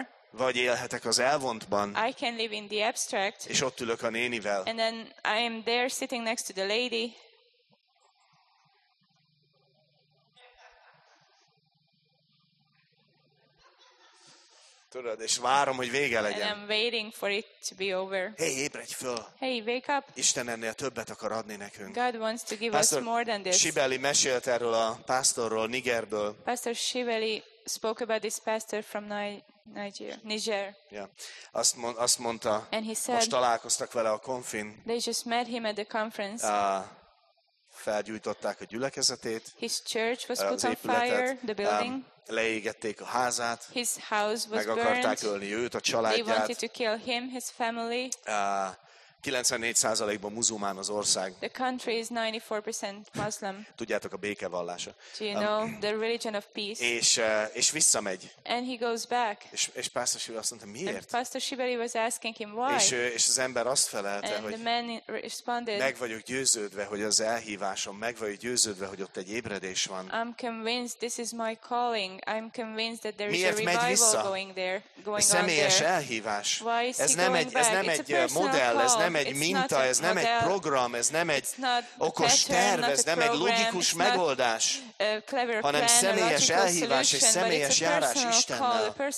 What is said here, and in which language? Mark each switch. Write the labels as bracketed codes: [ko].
[hu] Vagy élhetek az elvontban. [en] I can live in the abstract. [hu] És ott ülök a nénivel. [en] And then I am there sitting next to the lady. [hu] Tudod, és várom, hogy vége legyen. [en] And I'm waiting for it to be over. [hu] Hey, ébredj föl! [en] Hey, wake up! [hu] Isten ennél többet akar adni nekünk. [en] God wants to give Pastor us more than this. [hu] Shibeli mesélt erről a pásztorról, Nigerből. [en] Pastor Shibeli spoke about this pastor from Niger. Yeah. [hu] Azt mondta, [en] and he said, [hu] most találkoztak vele a konfin. [en] They just met him at the conference. [hu] Felgyújtották a gyülekezetét. [en] His church was put on fire, the building. [hu] Leégették a házát. [en] His house was [hu] meg akarták [en] burned. [hu] Ölni őt, a családját. [en] They wanted to kill him, his family. [hu] 94%-ban muzulmán az ország. [en] The country is 94% Muslim. [hu] Tudjátok, a békevallása. [en] Do you know the religion of peace? [hu] És visszamegy. [en] And he goes back. [hu] És Pastor Shibeli azt mondta, miért? [en] And Pastor Shibeli was asking him why. [hu] És az ember azt felelte, [en] and [hu] hogy [en] the man responded, [hu] meg vagyok győződve, hogy az elhívásom, meg vagyok győződve, hogy ott egy ébredés van. [en] I'm convinced this is my calling. I'm convinced that there is a revival going there. [hu] Ez személyes elhívás. [en] Why is [hu] ez, nem [en] going [hu] egy, [en] back? [hu] Ez nem egy modell, ez nem egy minta, ez nem egy program, ez nem egy okos terv, ez nem egy logikus megoldás, hanem személyes elhívás és személyes járás Istennel.